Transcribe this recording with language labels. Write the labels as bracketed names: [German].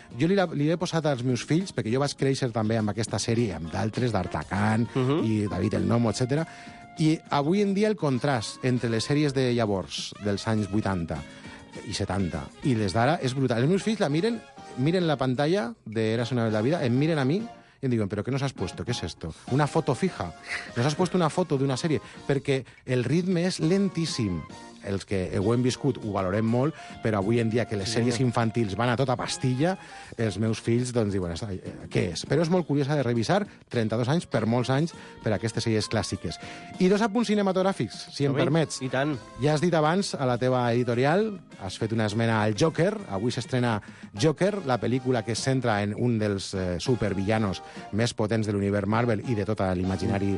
[Catalan] Jo li he posat als meus fills, perquè jo vaig créixer també amb aquesta sèrie, amb d'altres, d'Artacan i David el Nomo, etc. I avui en dia el contrast entre les sèries de llavors, dels anys 80 i 70, i les d'ara, és brutal. Els meus fills la miren la pantalla de Érase una vez la vida, em miren a mi... [Spanish] Y digo, ¿pero qué nos has puesto? ¿Qué es esto? Una foto fija. Nos has puesto una foto de una serie. Porque el ritme es lentísimo. [Catalan] Els que ho hem viscut ho valorem molt, però avui en dia que les sèries infantils van a tota pastilla, els meus fills doncs diuen, què és? Però és molt curiosa de revisar, 32 anys, per molts anys, per aquestes sèries clàssiques. I dos apunts cinematogràfics, si em permets. I tant. Ja has dit abans a la teva editorial, has fet una esmena al Joker, avui s'estrena Joker, la pel·lícula que es centra en un dels supervillanos més potents de l'univers Marvel i de tot l'imaginari.